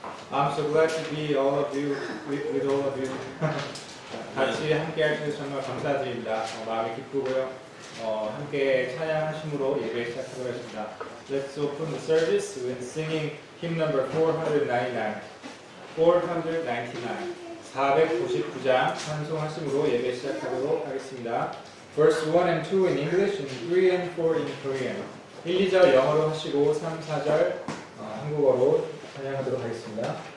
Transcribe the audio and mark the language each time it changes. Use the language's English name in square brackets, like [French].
[English] I'm so glad to be all of you with all of you. [Korean] 같이 함께할 수 있어서 정말 감사드립니다. 마음이 기쁘고요. 함께 찬양하심으로 예배 시작하도록 하겠습니다. [English] Let's open the service with singing hymn number 499. [Korean] 499장 찬송하심으로 예배 시작하도록 하겠습니다. [English] Verse 1 and 2 in English and 3 and 4 in Korean. [Korean] 1, 2절 영어로 하시고 3, 4절 한국어로 찬양하도록 하겠습니다.